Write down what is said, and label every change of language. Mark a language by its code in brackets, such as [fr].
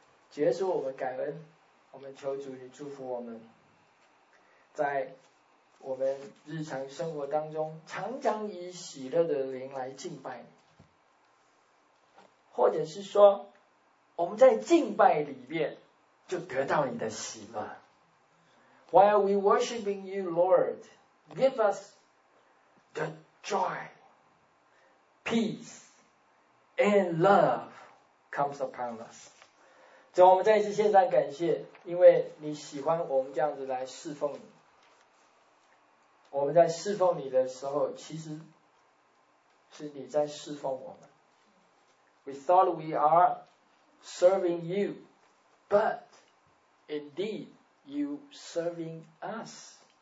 [zh] 主耶稣，我们感恩，我们求主你祝福我们，在我们日常生活当中常常以喜乐的灵来敬拜你，或者是说我们在敬拜里面就得到你的喜乐。 [en] While we worshiping you Lord, give us the joy, peace and love comes upon us. [zh] 主，我们再一次献上感谢，因为你喜欢我们这样子来侍奉你。我们在侍奉你的时候，其实是你在侍奉我们。 [en] We thought we are serving you, but indeed you serving us.